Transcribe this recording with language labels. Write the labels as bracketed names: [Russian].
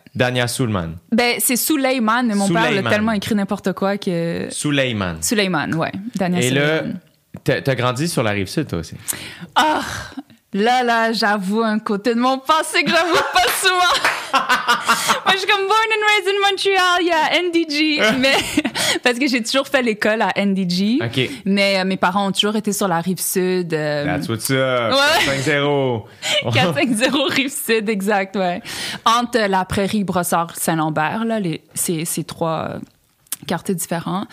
[French] Dania Suleiman. Ben, c'est Suleiman, mais mon père l'a tellement écrit n'importe quoi que... Suleiman. Suleiman, ouais. Dania Suleiman. Et là, t'as grandi sur la Rive-Sud, toi aussi. Oh! Là, j'avoue un côté de mon passé que j'avoue pas souvent. Moi, je suis comme [English] born and raised in Montreal, yeah, [French] NDG. Mais, parce que j'ai toujours fait l'école à NDG. OK. Mais mes parents ont toujours été sur la Rive-Sud. [English] That's what's up. 4-5-0. [French] 4-5-0 Rive-Sud, exact, ouais. Entre la Prairie, Brossard, Saint-Lambert, là, ces trois quartiers différents.